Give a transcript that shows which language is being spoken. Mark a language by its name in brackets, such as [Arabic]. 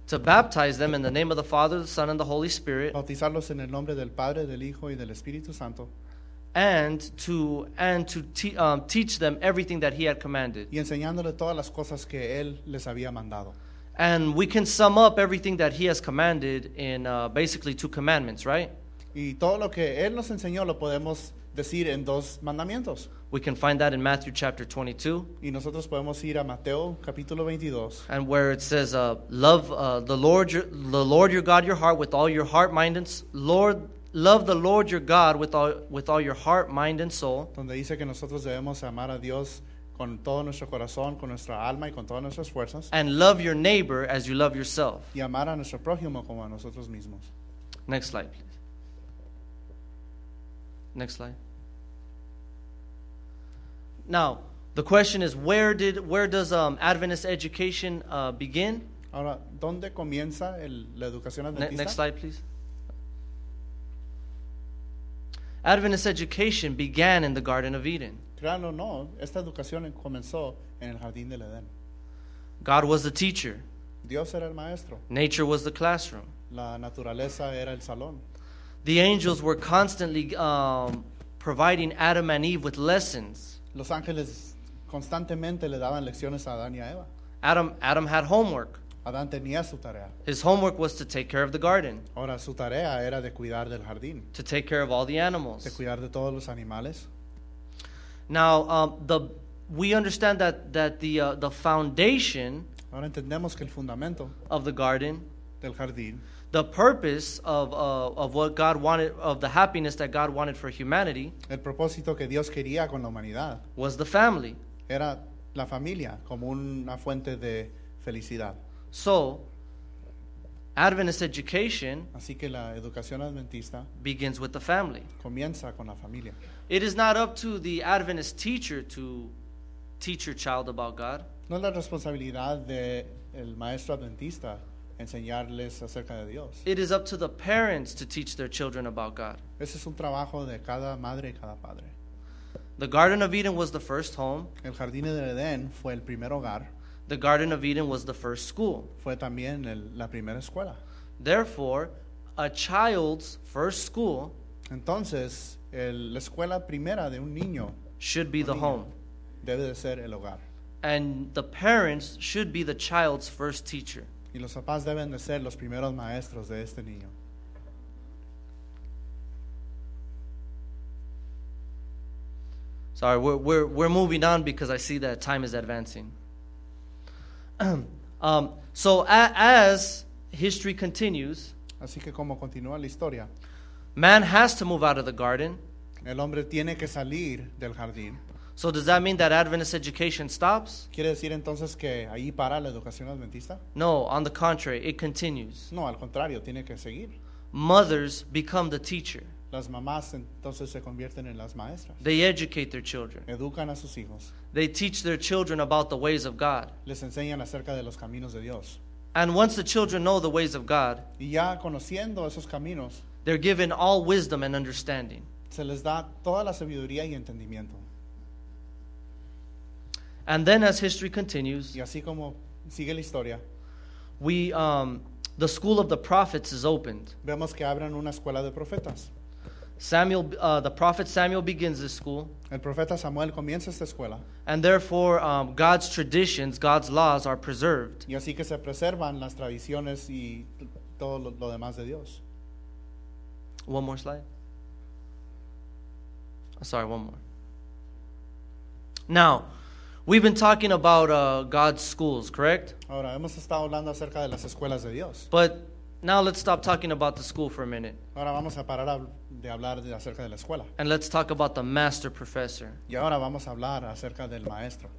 [English] to baptize them in the name of the Father, the Son, and the Holy Spirit, [Spanish] bautizarlos en el nombre del Padre, del Hijo, y del Espíritu Santo, [English] and to teach them everything that he had commanded, [Spanish] y enseñándole todas las cosas que él les había mandado. [English] And we can sum up everything that he has commanded in basically two commandments, right? [Spanish] Y todo lo que él nos enseñó lo podemos decir en dos mandamientos. [English] We can find that in Matthew chapter 22. [Spanish] Y nosotros podemos ir a Mateo capítulo 22. [English] And where it says, "Love the Lord your God your heart with all your heart, mind, and love the Lord your God with all your heart, mind, and soul." [Spanish] Donde dice que nosotros debemos amar a Dios con todo nuestro corazón, con nuestra alma y con todas nuestras fuerzas. [English] And love your neighbor as you love yourself. [Spanish] Y amar a nuestro prójimo como a nosotros mismos. [English] Next slide, please. Next slide. Now, the question is, where does Adventist education begin? [Spanish] Ahora, ¿dónde comienza la educación adventista? [English] Next slide, please. Adventist education began in the Garden of Eden. [Spanish] Claro, no, esta educación comenzó en el jardín del Edén. [English] God was the teacher. [Spanish] Dios era el maestro. [English] Nature was the classroom. [Spanish] La naturaleza era el salón. [English] The angels were constantly providing Adam and Eve with lessons. [Spanish] Los ángeles constantemente le daban lecciones a Adán y a Eva. [English] Adam had homework. [Spanish] Adán tenía su tarea. [English] His homework was to take care of the garden. [Spanish] Ahora, su tarea era de cuidar del jardín. [English] To take care of all the animals. [Spanish] De cuidar de todos los animales. [English] Now, we understand that the foundation [Spanish] Ahora entendemos que el fundamento [English] of the garden, [Spanish] del jardín, [English] the purpose of what God wanted, of the happiness that God wanted for humanity, [Spanish] el propósito que Dios quería con la humanidad, [English] was the family. [Spanish] Era la familia como una fuente de felicidad. [English] So, Adventist education [Spanish] Así que la educación adventista [English] begins with the family. [Spanish] Comienza con la familia. [English] It is not up to the Adventist teacher to teach your child about God. [Spanish] No es la responsabilidad del maestro adventista enseñarles acerca de Dios. [English] It is up to the parents to teach their children about God. [Spanish] Ese es un trabajo de cada madre y cada padre. [English] The Garden of Eden was the first home. [Spanish] El jardín del Edén fue el primer hogar. [English] The Garden of Eden was the first school. [Spanish] Fue también la primera escuela. [English] Therefore, a child's first school [Spanish] Entonces, la escuela primera de un niño [English] should be the home. [Spanish] Debe de ser el hogar. [English] And the parents should be the child's first teacher. [Spanish] Y los papás deben de ser los primeros maestros de este niño. [English] Sorry, we're moving on because I see that time is advancing. So as history continues, [Spanish] Así que como continúa la historia, [English] man has to move out of the garden. [Spanish] El hombre tiene que salir del jardín. [English] So does that mean that Adventist education stops? [Spanish] ¿Quiere decir entonces que ahí para la educación adventista? [English] No, on the contrary, it continues. [Spanish] No, al contrario, tiene que seguir. [English] Mothers become the teacher. [Spanish] Las mamás entonces se convierten en las maestras. [English] They educate their children. [Spanish] Educan a sus hijos. [English] They teach their children about the ways of God. [Spanish] Les enseñan acerca de los caminos de Dios. [English] And once the children know the ways of God, [Spanish] y ya conociendo esos caminos, [English] they're given all wisdom and understanding. [Spanish] Se les da toda la sabiduría y entendimiento. [English] And then as history continues, [Spanish] y así como sigue la historia, [English] the school of the prophets is opened. [Spanish] Vemos que abren una escuela de profetas. [English] Samuel, the prophet Samuel begins this school. [Spanish] El profeta Samuel comienza esta escuela. [English] And therefore, God's traditions, God's laws are preserved. [Spanish] Y así que se preservan las tradiciones y todo lo demás de Dios. [English] One more slide. Sorry, one more. Now, we've been talking about God's schools, correct? [Spanish] Ahora, hemos estado hablando acerca de las escuelas de Dios. [English] But now let's stop talking about the school for a minute. [Spanish] Ahora vamos a parar de hablar acerca de la escuela. [English] And let's talk about the master professor. [Spanish] Y ahora vamos a hablar acerca del maestro.